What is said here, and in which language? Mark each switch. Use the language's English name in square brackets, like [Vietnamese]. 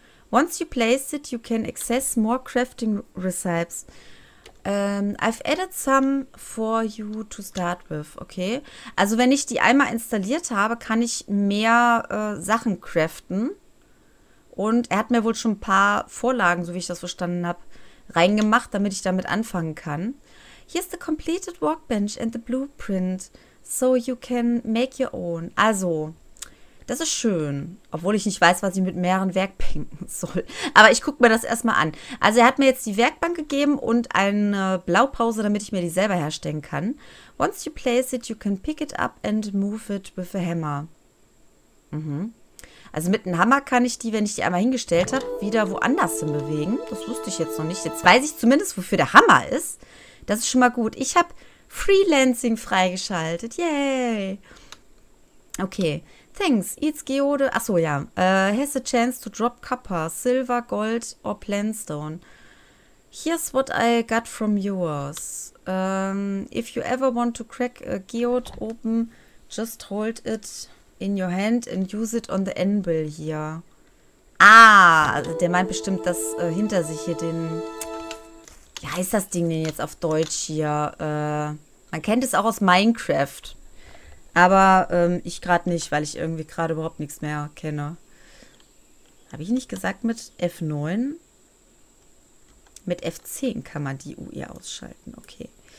[English] Once you place it, you can access more crafting recipes. I've added some for you to start with, okay? [German] Also wenn ich die einmal installiert habe, kann ich mehr Sachen craften. Und er hat mir wohl schon ein paar Vorlagen, so wie ich das verstanden habe, reingemacht, damit ich damit anfangen kann. [English] Here's the completed workbench and the blueprint, so you can make your own. [German] Also, das ist schön, obwohl ich nicht weiß, was ich mit mehreren Werkbänken soll. Aber ich gucke mir das erstmal an. Also er hat mir jetzt die Werkbank gegeben und eine Blaupause, damit ich mir die selber herstellen kann. [English] Once you place it, you can pick it up and move it with a hammer. Mhm. [German] Also mit einem Hammer kann ich die, wenn ich die einmal hingestellt habe, wieder woanders hin bewegen. Das wusste ich jetzt noch nicht. Jetzt weiß ich zumindest, wofür der Hammer ist. Das ist schon mal gut. Ich habe Freelancing freigeschaltet. Yay! Okay. [English] Thanks, it's Geode. [German] Achso, ja. [English] Has a chance to drop copper, silver, gold or planstone. Here's what I got from yours. If you ever want to crack a geode open, just hold it in your hand and use it on the anvil here. [German] Ah, der meint bestimmt, dass hinter sich hier den... Wie heißt das Ding denn jetzt auf Deutsch hier? Man kennt es auch aus Minecraft. Aber ich gerade nicht, weil ich irgendwie gerade überhaupt nichts mehr kenne. Habe ich nicht gesagt mit F9? Mit F10 kann man die UI ausschalten, okay.